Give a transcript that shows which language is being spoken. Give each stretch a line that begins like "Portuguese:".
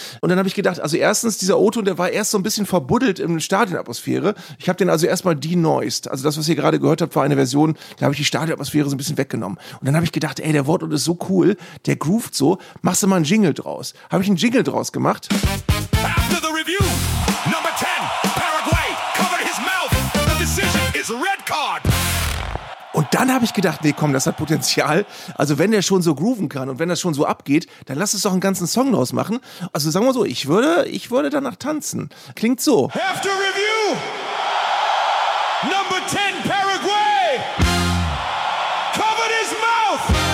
German: Und dann habe ich gedacht, also erstens, dieser O-Ton, der war erst so ein bisschen verbuddelt in der Stadionatmosphäre. Ich habe den also erstmal denoised. Also das, was ihr gerade gehört habt, war eine Version, da habe ich die Stadionatmosphäre so ein bisschen weggenommen. Und dann habe ich gedacht, ey, der Wortlaut ist so cool, der groovt so, machst du mal einen Jingle draus. Habe ich einen Jingle draus gemacht.
English: After the review, number 10, Paraguay covered his mouth. The decision is red card.
German: Und dann habe ich gedacht, nee, komm, das hat Potenzial. Also wenn der schon so grooven kann und wenn das schon so abgeht, dann lass es doch einen ganzen Song draus machen. Also sagen wir so, ich würde danach tanzen. Klingt so.
English: After review, number 10, Paraguay covered his mouth.